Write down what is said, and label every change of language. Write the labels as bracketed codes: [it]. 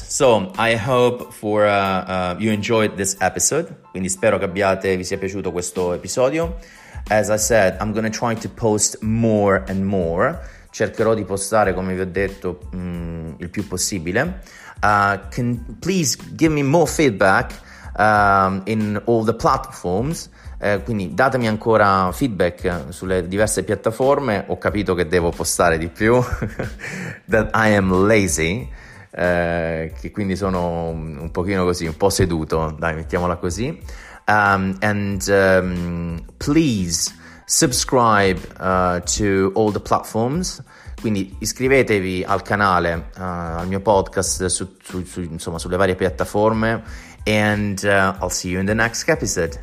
[en] So I hope for you enjoyed this episode. [it] Quindi spero che vi sia piaciuto questo episodio. [en] As I said, I'm gonna try to post more and more. [it] Cercherò di postare, come vi ho detto, il più possibile. [en] Please give me more feedback in all the platforms. [it] Quindi datemi ancora feedback sulle diverse piattaforme. Ho capito che devo postare di più. [en] That I am lazy. [it] Che quindi sono un pochino così, un po' seduto, dai, mettiamola così. [en] Please subscribe to all the platforms. [it] Quindi iscrivetevi al canale, al mio podcast insomma, sulle varie piattaforme. [en] And I'll see you in the next episode.